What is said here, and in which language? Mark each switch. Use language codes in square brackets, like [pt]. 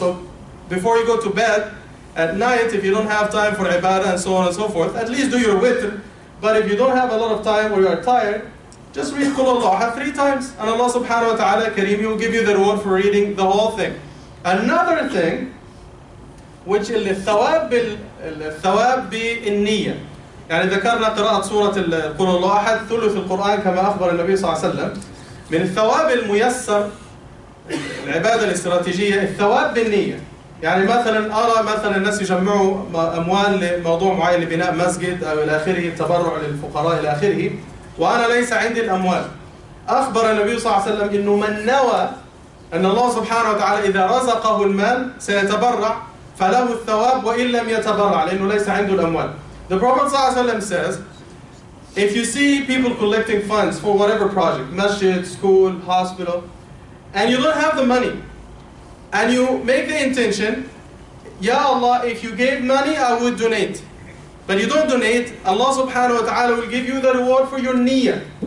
[en] So before you go to bed at night, if you don't have time for ibadah and so on and so forth, at least do your witr. But if you don't have a lot of time or you are tired, just read Qul Huwallahu Ahad three times, and Allah subhanahu wa ta'ala kareem, He will give you the reward for reading the whole thing. Another thing, which is al-thawab bi-niyyah. [ar] يعني ذكرنا قراءة سورة قل الله أحد ثلث القرآن كما أخبر النبي صلى الله عليه وسلم من الثواب الميسر العبادة الاستراتيجية الثواب بالنية. يعني مثلا أرى مثلا الناس يجمعوا أموال لموضوع معين لبناء مسجد أو إلى آخره، التبرع للفقراء إلى آخره، وأنا ليس عندي الأموال. أخبر النبي صلى الله عليه وسلم إنه من نوى أن الله سبحانه وتعالى إذا رزقه المال سيتبرع فله الثواب وإن لم يتبرع، لأنه ليس عنده الأموال. [en] The Prophet ﷺ says, if you see people collecting funds for whatever project, masjid, school, hospital, and you don't have the money, and you make the intention, Ya Allah, if you gave money, I would donate. But you don't donate, Allah subhanahu wa ta'ala will give you the reward for your niyyah.